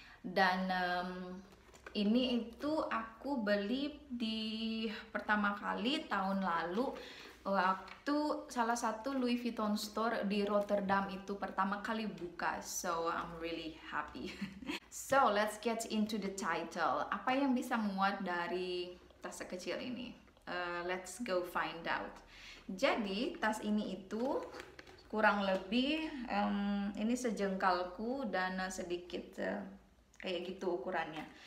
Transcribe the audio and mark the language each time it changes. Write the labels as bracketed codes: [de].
[id] Dan ini itu aku beli di pertama kali tahun lalu waktu salah satu Louis Vuitton store di Rotterdam itu pertama kali buka. [en] So I'm really happy. So let's get into the title. [id] Apa yang bisa muat dari tas sekecil ini? [en] Let's go find out. [id] Jadi tas ini itu kurang lebih ini sejengkalku dan sedikit kayak gitu ukurannya.